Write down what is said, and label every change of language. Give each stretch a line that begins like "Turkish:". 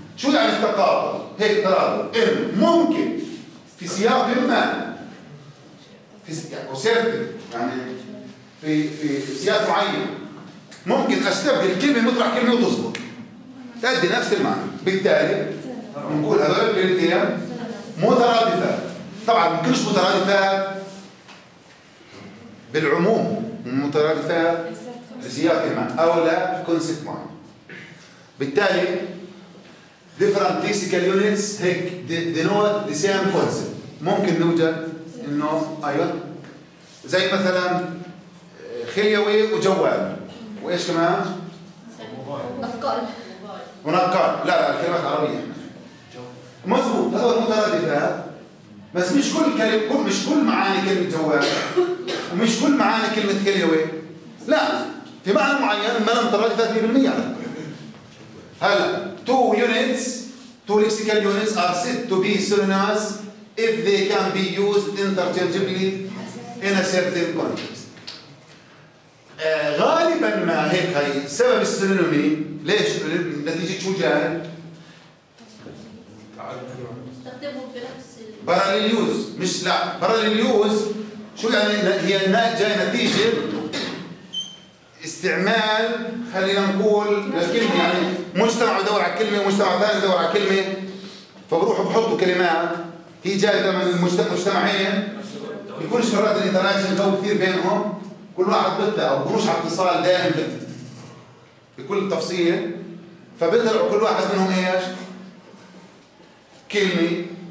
Arabic: شو يعني التقاطع؟ هيك تقاطع إن ممكن في سياق ما في يعني في سياق معين ممكن استبدل كلمه مطرح كلمه وتظبط تأدي نفس المعنى. بالتالي نقول هذول الكلمتين مترادفات. طبعا ما كلش مترادفات بالعموم، مترادفات لسياق ما او لا كونسيبت ما. بالتالي
English: different lexical units
Arabic: هيك
English: denote the same concept.
Arabic: ممكن نوجد انه ايوه زي مثلا خليوي وجوال وايش كمان؟ نقال ونقال. لا لا الكلمات عربية مظبوط. هذا مترادفات بس مش كل كلمه، مش كل معاني كلمه جوال ومش كل معاني كلمه خليوي. لا في معنى معين ما مترادفات 100%. هلا
English: two units two lexical units are said to be synonyms if they can be used interchangeably in a certain context.
Arabic: غالبا ما هيك هي سبب السينونيمي. ليش نتيجة شو جاي؟
English: parallel use.
Arabic: مش لا
English: parallel use
Arabic: شو يعني؟ هي الناتج جاي نتيجة استعمال خلينا نقول لكلمة يعني مجتمع بدور على كلمة مجتمع ثاني بدور على كلمة فبروحوا بحطوا كلمات هي جاية من مجتمعين بيكون شرط الانتراكشن قوي كثير بينهم كل واحد بده أو بروش على اتصال دائم بكل التفصيل فبيطلع كل واحد منهم إيش كلمة